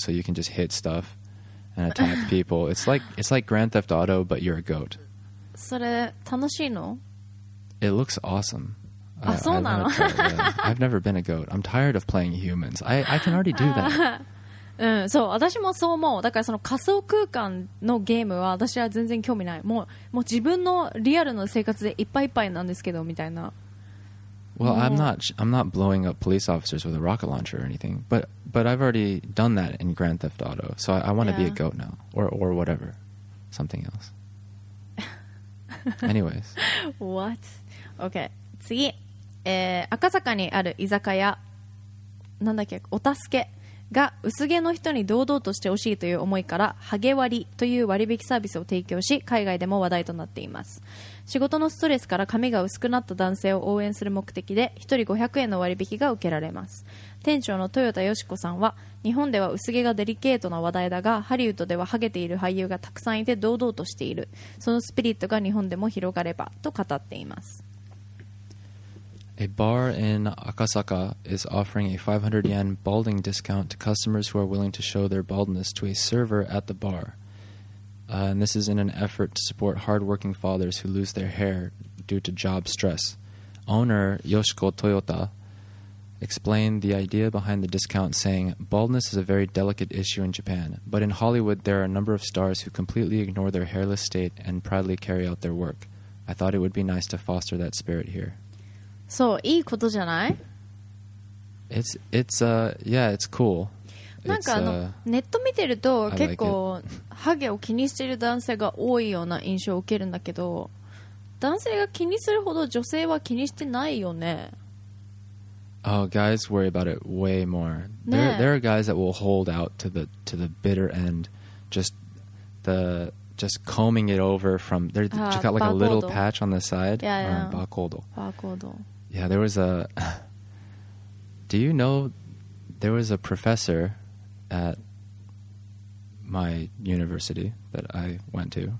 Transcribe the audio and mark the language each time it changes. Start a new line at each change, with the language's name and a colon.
English: So you can just hit stuff and attack people. It's like Grand Theft Auto, but you're a goat.
Japanese: それ楽しいの？
English: It looks awesome.
Japanese: あ、そうなの?
English: I've never been a goat. I'm tired of playing humans. I can already do that.
Japanese: そう、私もそう思う。だからその仮想空間のゲームは私は全然興味ない。もう自分のリアルの生活でいっぱいいっぱいなんですけどみたいな。
English: Well, I'm not blowing up police officers with a rocket launcher or anything. But I've already done that in Grand Theft Auto. So I want to be a goat now. Or whatever. Something else. Anyways. What? Okay.
Japanese: 次。赤坂にある居酒屋。なんだっけ?お助けが薄毛の人に堂々としてほしいという思いからハゲ割という割引サービスを提供し海外でも話題となっています。仕事のストレスから髪が薄くなった男性を応援する目的で1人500円の割引が受けられます。店長の豊田よしこさんは日本では薄毛がデリケートな話題だがハリウッドではハゲている俳優がたくさんいて堂々としている、そのスピリットが日本でも広がればと語っています。
English: A bar in Akasaka is offering a 500 yen balding discount to customers who are willing to show their baldness to a server at the bar. And this is in an effort to support hardworking fathers who lose their hair due to job stress. Owner Yoshiko Toyota explained the idea behind the discount, saying, "Baldness is a very delicate issue in Japan, but in Hollywood there are a number of stars who completely ignore their hairless state and proudly carry out their work. I thought it would be nice to foster that spirit here."
Japanese: そう、いいことじゃない?
English: It's yeah, it's cool.
Japanese: なんかネット見てると結構ハゲを気にしている男性が多いような印象を受けるんだけど、男性が気にするほど女性は気にしてないよね。
English: Oh, guys worry about it way more. There are guys that will hold out to the bitter end, just combing it over from there. Just got like a little patch on the side.
Japanese: バーコード。
English: Yeah, there was a... Do you know there was a professor at my university that I went to?